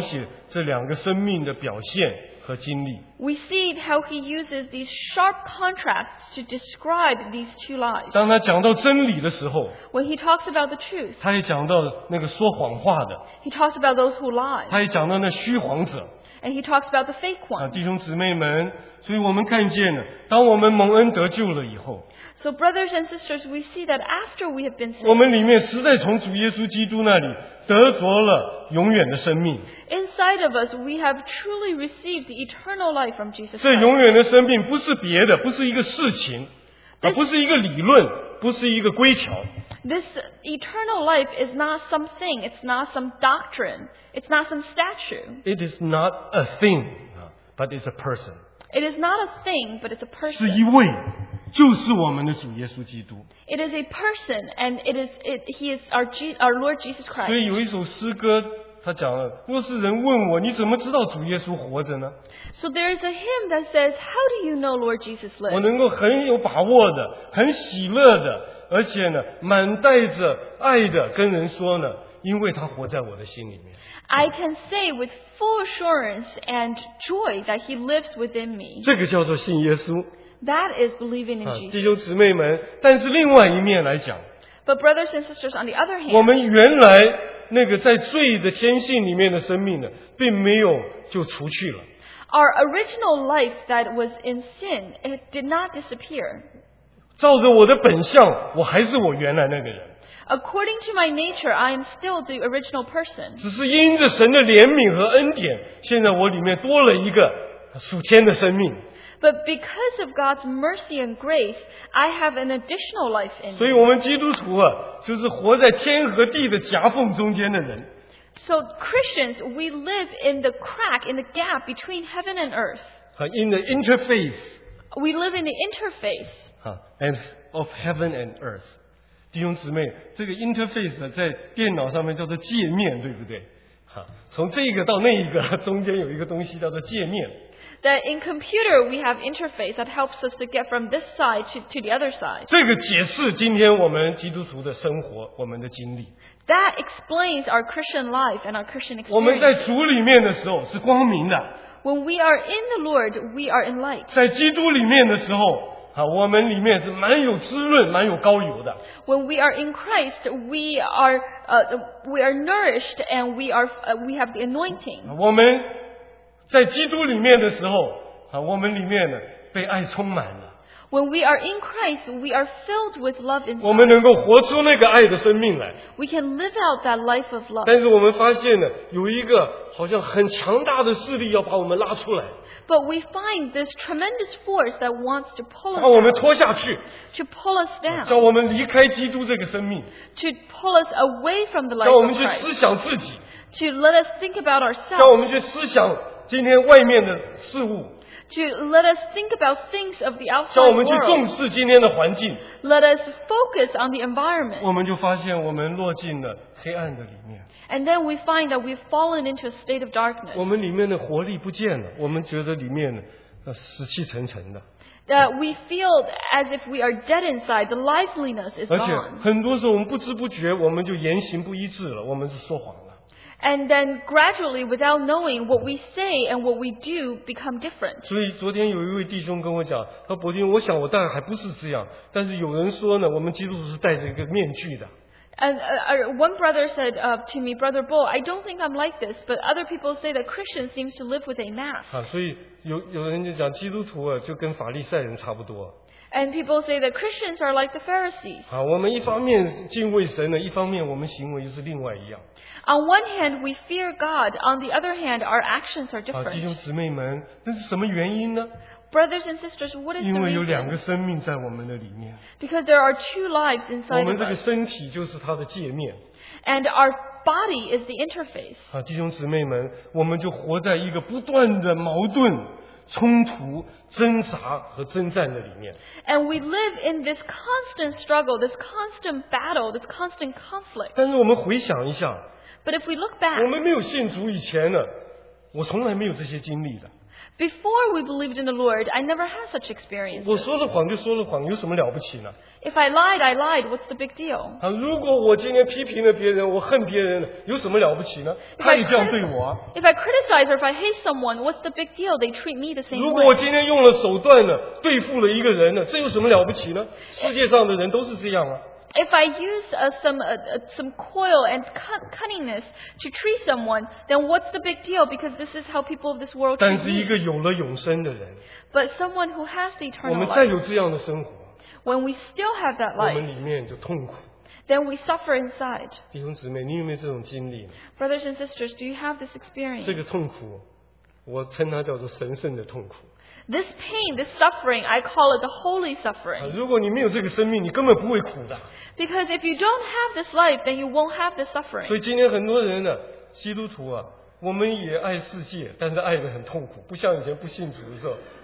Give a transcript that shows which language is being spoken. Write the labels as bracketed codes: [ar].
[zh] 我们看见他在那里用很强烈的对比来描写这两个生命的表现。 [en] We see how he uses these sharp contrasts to describe these two lives. [zh] 当他讲到真理的时候, [en] when he talks about the truth, [zh] 他也讲到那个说谎话的, [en] he talks about those who lie, [zh] 他也讲到那虚谎者, [en] and he talks about the fake one. [zh] 弟兄姊妹们, 所以我们看见呢, 当我们蒙恩得救了以后, [en] so brothers and sisters, we see that after we have been saved, [zh] 我们里面实在从主耶稣基督那里, 得着了永远的生命。 [en] Inside of us, we have truly received the eternal life from Jesus Christ. [zh] 这永远的生命不是别的，不是一个事情，而不是一个理论。不是一个规条。 [en] This eternal life is not something. It's not some doctrine. It's not some statue. It is not a thing, but it's a person. It is not a thing, but it's a person. [zh] 是一位，就是我们的主耶稣基督。 [en] It is a person, and it is it. He is our Lord Jesus Christ. [zh] 所以有一首诗歌。他讲了，若是人问我，你怎么知道主耶稣活着呢？ [en] So there is a hymn that says, "How do you know Lord Jesus lives?" [zh] 我能够很有把握的，很喜乐的，而且呢，满带着爱的跟人说呢，因为他活在我的心里面。 [en] I can say with full assurance and joy that He lives within me. [zh] 这个叫做信耶稣。 [en] That is believing in Jesus. [zh] 弟兄姊妹们，但是另外一面来讲 [en] ，But brothers and sisters, on the other hand, [zh] 我们原来。那个在罪的天性里面的生命呢，并没有就除去了。 [en] Our original life that was in sin, it did not disappear. [zh] 照着我的本相，我还是我原来那个人。 [en] According to my nature, I am still the original person. [zh] 只是因着神的怜悯和恩典，现在我里面多了一个属天的生命。 [en] But because of God's mercy and grace, I have an additional life in me. [zh] 所以我们基督徒啊，就是活在天和地的夹缝中间的人。 [en] So Christians, we live in the crack, in the gap between heaven and earth. In the interface. We live in the interface. And of heaven and earth. [zh] 弟兄姊妹，这个 interface 在电脑上面叫做界面，对不对？从这个到那一个，中间有一个东西叫做界面。 [en] That in computer we have interface that helps us to get from this side to the other side. [zh] 这个解释今天我们基督徒的生活，我们的经历。 [en] That explains our Christian life and our Christian experience. [zh] 我们在主里面的时候是光明的。 [en] When we are in the Lord, we are in light. [zh] 在基督里面的时候，我们里面是蛮有滋润，蛮有膏油的。 [en] When we are in Christ, we are nourished and we have the anointing. [zh] 我们。在基督里面的时候，我们里面呢被爱充满了。 [en] When we are in Christ, we are filled with love inside. [zh] 我们能够活出那个爱的生命来。 [en] We can live out that life of love. [zh] 但是我们发现呢，有一个好像很强大的势力要把我们拉出来。 [en] But we find this tremendous force that wants to pull us. [zh] 把我们拖下去。 [en] To pull us down. [zh] 叫我们离开基督这个生命。 [en] To pull us away from the life of [zh] Christ. 叫我们去思想自己。 [en] To let us think about ourselves. [zh] 叫我们去思想。今天外面的事物 [en] to let us think about things of the outside world [zh] 叫我们去重视今天的环境 [en] let us focus on the environment [zh] 我们就发现我们落进了黑暗的里面 [en] and then we find that we've fallen into a state of darkness [zh] 我们里面的活力不见了我们觉得里面死气沉沉的 [en] that we feel as if we are dead inside the liveliness is gone [zh] 而且很多时候我们不知不觉我们就言行不一致了我们是说谎了 [en] And then gradually, without knowing, what we say and what we do become different. [zh] 所以昨天有一位弟兄跟我讲，他伯君，我想我当然还不是这样，但是有人说呢，我们基督徒是戴着一个面具的。 [en] And one brother said to me, Brother Bo, I don't think I'm like this, but other people say that Christians seem to live with a mask. [zh] 所以有人就讲基督徒啊，就跟法利赛人差不多。 [en] And people say that Christians are like the Pharisees. [zh] 我们一方面敬畏神呢，一方面我们行为又是另外一样。 [en] On one hand, we fear God. On the other hand, our actions are different. [zh] 弟兄姊妹们，那是什么原因呢？ [en] Brothers and sisters, what is the reason? [zh] 因为有两个生命在我们的里面。 [en] Because there are two lives inside of us. [zh] 我们这个身体就是它的界面。 [en] And our body is the interface. [zh] 弟兄姊妹们，我们就活在一个不断的矛盾。冲突、挣扎和征战的里面。 [en] And we live in this constant struggle, this constant battle, this constant conflict. [zh] 但是我们回想一下 [en] ，But if we look back， [zh] 我们没有信主以前呢，我从来没有这些经历的。 [en] Before we believed in the Lord, I never had such experience. [zh] 我说了谎就说了谎，有什么了不起呢 [en] ？If I lied, I lied. What's the big deal？ [zh] 如果我今天批评了别人，我恨别人，有什么了不起呢？他也这样对我。 [en] If I criticize or if I hate someone, what's the big deal? They treat me the same way. [zh] 如果我今天用了手段呢，对付了一个人呢，这有什么了不起呢？世界上的人都是这样啊。 [en] If I use some coil and cunningness to treat someone, then what's the big deal? Because this is how people of this world treat me. [zh] 但是一个有了永生的人。 [en] But someone who has the eternal life. [zh] 我们再有这样的生活。 [en] When we still have that life. [zh] 我们里面就痛苦。 [en] Then we suffer inside. [zh] 弟兄姊妹，你有没有这种经历？ [en] Brothers and sisters, do you have this experience? [zh] 这个痛苦，我称它叫做神圣的痛苦。 [en] This pain, this suffering, I call it the holy suffering. [zh] 如果你没有这个生命, 你根本不会苦的。 [en] Because if you don't have this life, then you won't have this suffering. [zh] 所以今天很多人呢, 基督徒啊, 我们也爱世界, 但是爱得很痛苦, 不像以前不信主的时候,